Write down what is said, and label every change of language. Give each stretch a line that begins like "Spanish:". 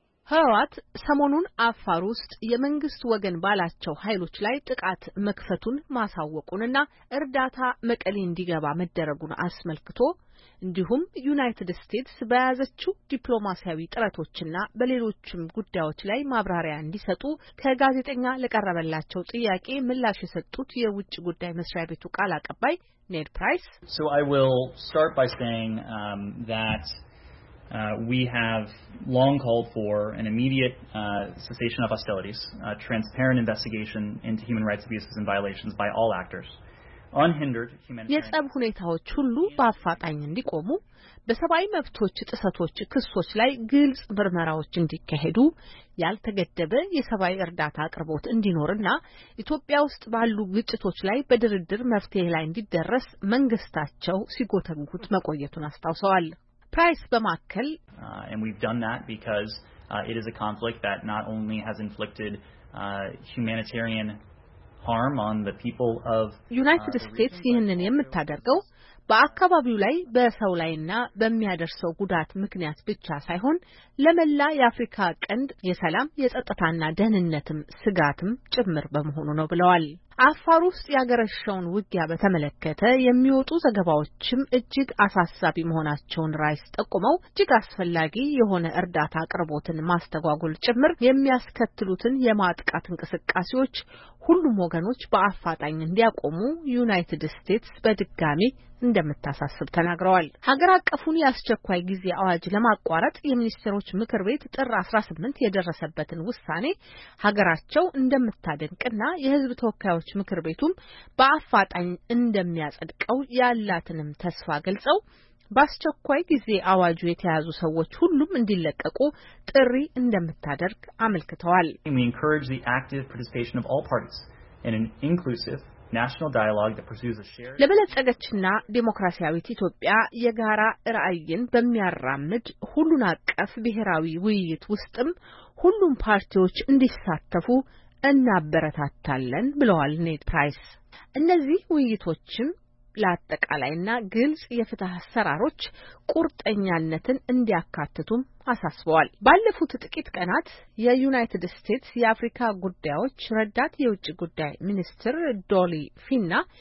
Amharic: ህወሓት ሰሞኑን አፋር ውስጥ የመንግስት ወገን ባላቸው ኃይሎች ላይ ጥቃት መክፈቱን ማሳወቁንና እርዳታ መቀሌ እንዲገባ መደረጉን አስመልክቶ እንዲሁም ዩናይትድ ስቴትስ በያዘችው ዲፕሎማሲያዊ ጥረቶችና በሌሎችም ጉዳዮች ላይ ማብራሪያ እንዲሰጡ ከጋዜጠኛ ለቀረበላቸው ጥያቄ ምላሽ የሰጡት የውጭ ጉዳይ መስሪያ ቤቱ ቃል አቀባይ ኔድ ፕራይስ
English: So I will start by saying that we have long called for an immediate cessation of hostilities, a transparent investigation into human rights abuses and violations by all actors. Unhindered humanitarian
Amharic: የጸብ ሁኔታዎች ሁሉ በአፋጣኝ እንዲቆሙ በሰብአዊ መብቶች ጥሰቶች ክሶች ላይ ግልጽ ምርመራዎች እንዲካሄዱ ያልተገደበ የሰብአዊ እርዳታ አቅርቦት እንዲኖርና ኢትዮጵያ ውስጥ ባሉ ግጭቶች ላይ በድርድር መፍትሄ ላይ እንዲደረስ መንግስታቸው ሲጎተጉት መቆየቱን አስታውሰዋል። Price በማከል
English: and we've done that because it is a conflict that not only has inflicted humanitarian harm on the people of
Amharic: United States ይህንን የምታደርገው በአካባቢው ላይ በሰው ላይና በሚያደርሰው ጉዳት ምክንያት ብቻ ሳይሆን ለመላ የአፍሪካ ቀንድ የሰላም የጸጥታና ደህንነትም ስጋትም ጭምር በመሆኑ ነው ብለዋል። አፋር ውስጥ ያገረሸውን ውጊያ በተመለከተ የሚወጡ ዘገባዎችም እጅግ አሳሳቢ መሆናቸውን ራይስ ጠቁመው እጅግ አስፈላጊ የሆነ እርዳታ አቅርቦትን ማስተጓጎል ጭምር የሚያስከትሉትን የማጥቃት እንቅስቃሴዎች ሁሉም ወገኖች በአፋጣኝ እንዲያቆሙ ዩናይትድ ስቴትስ በድጋሚ እንደምታሳስብ ተናግረዋል። ሀገር አቀፉን ያስቸኳይ ጊዜ አዋጅ ለማቋረጥ የሚኒስትሮች ምክር ቤት ጥር 18 የደረሰበትን ውሳኔ ሀገራቸው እንደምታደንቅና የህዝብ ተወካዮች ምክር ቤቱም በአፋጣኝ እንደሚያጸድቀው ያላትንም ተስፋ ገልጸው በአስቸኳይ ጊዜ አዋጁ የተያዙ ሰዎች ሁሉም እንዲለቀቁ ጥሪ እንደምታደርግ አመልክተዋል።
English: We encourage the active participation of all parties in an inclusive national dialogue that pursues a shared
Amharic: ለበለጸገችና ዲሞክራሲያዊ ኢትዮጵያ የጋራ ራዕይን በሚያራምድ ሁሉን አቀፍ ብሔራዊ ውይይት ውስጥም ሁሉም ፓርቲዎች እንዲሳተፉ እናበረታታለን ብለዋል ኔት ፕራይስ። እነዚህ ውይይቶችም ለአጠቃላይና ግልጽ የፍትህ አሰራሮች ቁርጠኛነትን እንዲያካትቱም አሳስበዋል። ባለፉት ጥቂት ቀናት የዩናይትድ ስቴትስ የአፍሪካ ጉዳዮች ረዳት የውጭ ጉዳይ ሚኒስትር ዶሊ ፊና